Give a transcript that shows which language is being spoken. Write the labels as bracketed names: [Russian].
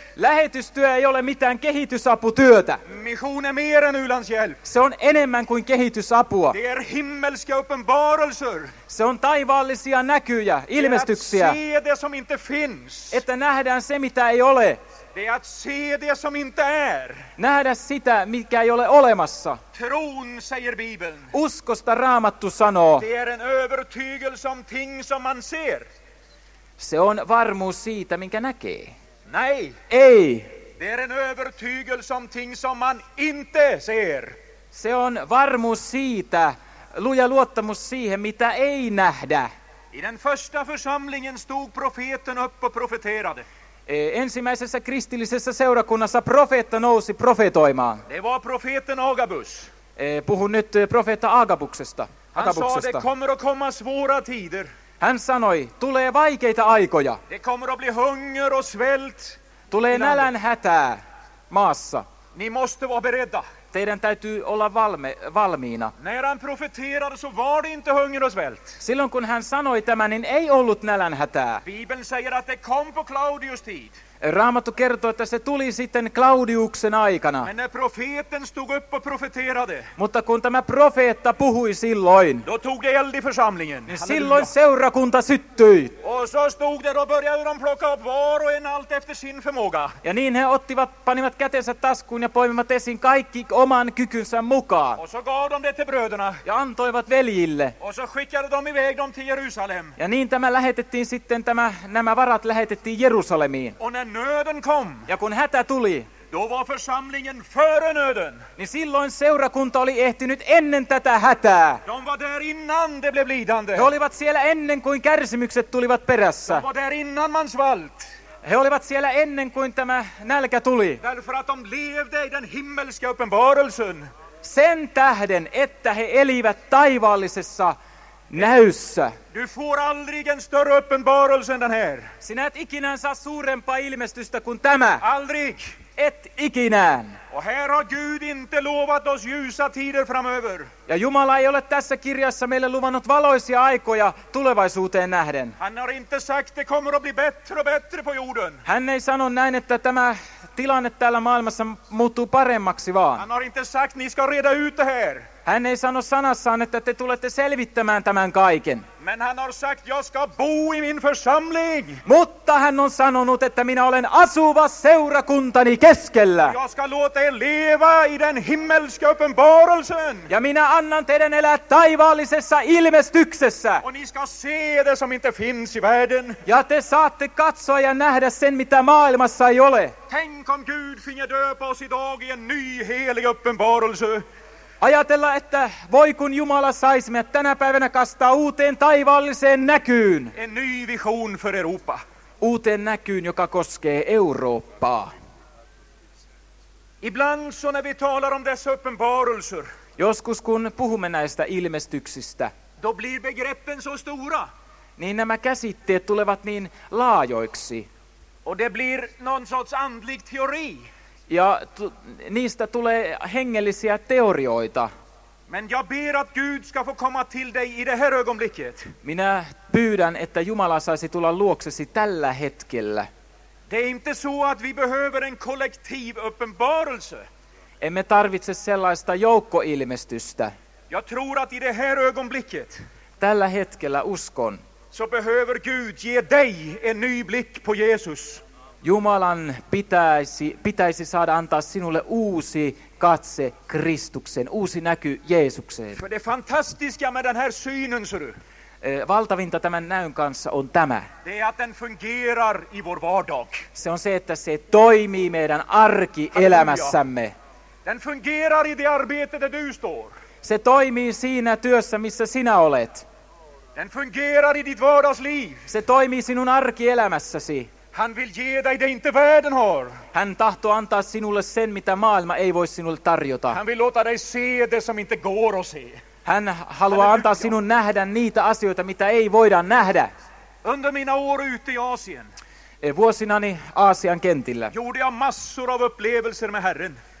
[Finnish] Lähetystyö ei ole mitään kehitysaputyötä. [Swedish] Mission är mer än u-landshjälp. [Finnish] Se on enemmän kuin kehitysapua. [Swedish] Det är himmelska uppenbarelser. [Finnish] Se on taivaallisia näkyjä, ilmestyksiä. [Swedish] Det är att se det som inte finns. [Finnish] Että nähdään se, mitä ei ole. [Swedish] Det är att se det som inte är. [Finnish] Nähdä sitä, mikä ei ole olemassa. [Swedish] Tron, säger Bibeln. [Finnish] Uskosta Raamattu sanoo. [Swedish] Det är en övertygelse om ting som man ser. [Finnish] Se on varmuus siitä, minkä näkee. [Swedish] Nej. [Finnish] Ei. [Swedish] Det är en övertygelse om ting som man inte ser. [Finnish] Se on varmuus siitä, luja luottamus siihen, mitä ei nähdä. [Swedish] I den första församlingen stod profeten upp och profeterade. [Finnish] Ensimmäisessä kristillisessä seurakunnassa profeetta nousi profetoimaan. [Swedish] Det var profeten Agabus. [Finnish] Puhun nyt profeetta Agabuksesta. [Swedish] Agabuksesta. Han sa, det kommer att komma svåra tider. [Finnish] Hän sanoi, tulee vaikeita aikoja. [Swedish] Det kommer att bli hunger och svält. [Finnish] Tulee nälän hätää maassa. [Swedish] Ni måste vara beredda. [Finnish] Teidän täytyy olla valmiina. [Swedish] När han profeterade så var det inte hunger och svält. [Finnish] Silloin kun hän sanoi tämän, niin ei ollut nälänhätää. [Swedish] Bibeln säger att det kom på Claudius tid. [Finnish] Raamattu kertoo, että se tuli sitten Claudiuksen aikana. [Swedish] Men när profeten stod upp och profeterade. [Finnish] Mutta kun tämä profeetta puhui silloin. [Swedish] Då tog det eld i församlingen. [Finnish] Niin silloin seurakunta syttyi. [Swedish] Och så stod det och började de plocka upp var och en allt efter sin förmåga. [Finnish] Ja niin he ottivat, panivat kätensä taskuun ja poimivat esiin kaikki oman kykynsä mukaan. [Swedish] Och så gav de det till bröderna. [Finnish] Ja antoivat veljille. [Swedish] Och så skickade de iväg dem till Jerusalem. [Finnish] Ja niin tämä lähetettiin sitten, nämä varat lähetettiin Jerusalemiin. [Swedish] När nöden kom. [Finnish] Ja kun hätä tuli. [Swedish] Då var församlingen före nöden. [Finnish] Niin silloin seurakunta oli ehtinyt ennen tätä hätää. [Swedish] De var där innan det blev lidande. [Finnish] He olivat siellä ennen kuin kärsimykset tulivat perässä. [Swedish] De var där innan man svalt. [Finnish] He olivat siellä ennen kuin tämä nälkä tuli. [Swedish] Därför att de levde i den himmelska uppenbarelsen. [Finnish] Sen tähden, että he elivät taivaallisessa näyssä. [Swedish] Du får aldrig en större uppenbarelse än den här. [Finnish] Sinä et ikinä saa suurempaa ilmestystä kuin tämä. [Swedish] Aldrig. [Finnish] Et ikinään. [Swedish] Och här har Gud inte lovat oss ljusa tider framöver. [Finnish] Ja Jumala ei ole tässä kirjassa meille luvannut valoisia aikoja tulevaisuuteen nähden. [Swedish] Han har inte sagt det kommer att bli bättre och bättre på jorden. [Finnish] Hän ei sano näin, että tämä tilanne täällä maailmassa muuttuu paremmaksi vaan. [Swedish] Han har inte sagt ni ska reda ut det här. [Finnish] Hän ei sano sanassaan, että te tulette selvittämään tämän kaiken. [Swedish] Men han har sagt, jag ska bo i min församling. [Finnish] Mutta hän on sanonut, että minä olen asuva seurakuntani keskellä. [Swedish] Jag ska låta er leva i den himmelska uppenbarelsen. [Finnish] Ja minä annan teidän elää taivaallisessa ilmestyksessä. [Swedish] Och ni ska se det som inte finns i världen. [Finnish] Ja te saatte katsoa ja nähdä sen, mitä maailmassa ei ole. [Swedish] Tänk om Gud finge döpa oss idag i en ny helig uppenbarelse. [Finnish] Ajatella, että voi kun Jumala saisi meidät tänä päivänä kastaa uuteen taivaalliseen näkyyn. [Swedish] En ny vision för Europa. [Finnish] Uuteen näkyyn, joka koskee Eurooppaa. [Swedish] Ibland så när vi talar om dessa uppenbarelser. [Finnish] Joskus kun puhumme näistä ilmestyksistä. [Swedish] Då blir begreppen så stora. [Finnish] Niin nämä käsitteet tulevat niin laajoiksi. [Swedish] Och det blir någon sorts andlig teori. [Finnish] Ja niistä tulee hengellisiä teorioita. [Swedish] Men jag ber att Gud ska få komma till dig i det här ögonblicket. [Finnish] Minä pyydän, että Jumala saisi tulla luoksesi tällä hetkellä. [Swedish] Det är inte så att vi behöver en kollektiv uppenbarelse. [Finnish] Emme tarvitse sellaista joukkoilmestystä. [Swedish] Jag tror att i det här ögonblicket. [Finnish] Tällä hetkellä uskon. [Swedish] Så behöver Gud ge dig en ny blick på Jesus. [Finnish] Jumalan pitäisi saada antaa sinulle uusi katse Kristuksen, uusi näky Jeesukseen. [Swedish] För det fantastiska med den här synen, ser du. [Finnish] Valtavinta tämän näyn kanssa on tämä. [Swedish] Det är att den fungerar i vår vardag. [Finnish] Se on se, että se toimii meidän arkielämässämme. [Swedish] Den fungerar i det arbete där du står. [Finnish] Se toimii siinä työssä, missä sinä olet. [Swedish] Den fungerar i ditt vardagsliv. [Finnish] Se toimii sinun arkielämässäsi. [Swedish] Han vill ge dig det inte världen har. [Finnish] Hän tahtoo antaa sinulle sen, mitä maailma ei voi sinulle tarjota. [Swedish] Han vill låta dig se det som inte går att se. [Finnish] Hän haluaa antaa sinun nähdä niitä asioita, mitä ei voida nähdä. [Swedish] Under mina år ute i Asien. [Finnish] Vuosinani Aasian kentillä. [Swedish] Gjorde jag massor av upplevelser med Herren.